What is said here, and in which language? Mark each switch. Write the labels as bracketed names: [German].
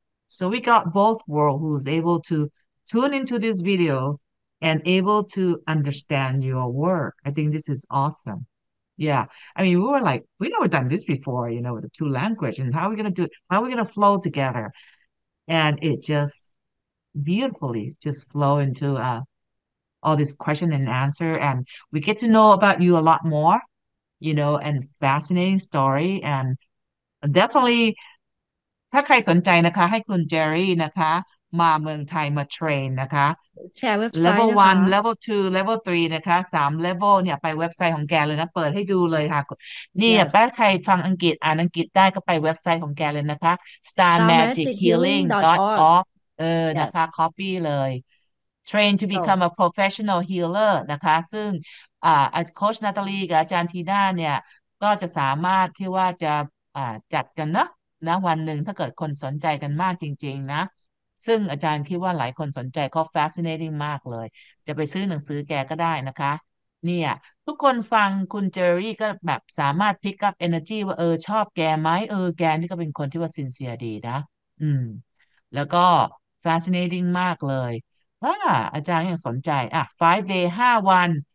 [English] so we got both world who's able to tune into these videos and able to understand your work I think this is awesome yeah I mean we were like we never done this before you know with the two language and how are we going to do it how are we going to flow together and it just beautifully just flow into all this question and answer and we get to know about you a lot more you know and fascinating story and definitely [Thai] ถ้าใครสนใจนะคะให้คุณเจอรี่นะคะมาเมืองไทยมาเทรนนะคะ แชร์เว็บไซต [English] level [Thai] นะคะ one level two level three นะคะ3 level เนี่ยไปเว็บไซต์ของแกเลยนะเปิดให้ดูเลยค่ะนี่ [English] Yes [Thai] แป้ใครฟังอังกฤษอ่านอังกฤษได้ก็ไปเว็บไซต์ของแกเลยนะคะ starmagichealing.org [English] starmagichealing.org [Thai] เออนะ [English] Yes [Thai] คะ copy เลย [English] train to So become a professional healer [Thai] นะคะซึ่งโค้ชนาตาลีกับอาจารย์ทีน่าเนี่ยก็จะสามารถที่ว่าจะจัดกันเนาะนะวันหนึ่งถ้าเกิดคนสนใจกันมากจริงๆนะ ซึ่งอาจารย์คิดว่าหลายคนสนใจก็ fascinating มากเลยจะไปซื้อหนังสือแกก็ได้นะคะเนี่ยทุกคนฟังคุณเจอรี่ก็แบบสามารถ [English] pick up energy [Thai] ว่าเออชอบแกไหมเออแกนี่ก็เป็นคนที่ว่า sincere ดีนะแล้วก็ fascinating มากเลยอาจารย์ยังสนใจอ่ะ 5 day 5 วัน